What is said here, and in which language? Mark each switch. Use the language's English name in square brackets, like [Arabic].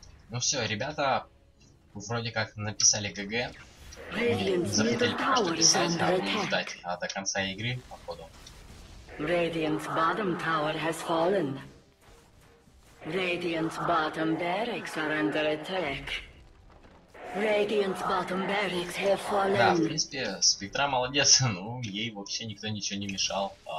[Russian] Ну все, ребята, вроде как написали ГГ. Захотели пока что писать, а будем ждать до конца игры, походу. [English] Radiant's bottom tower has fallen. Radiant's bottom barracks are under attack. Radiant's bottom barracks have fallen. [Russian] Да, в принципе, Спектра молодец, ну, ей вообще никто ничего не мешал.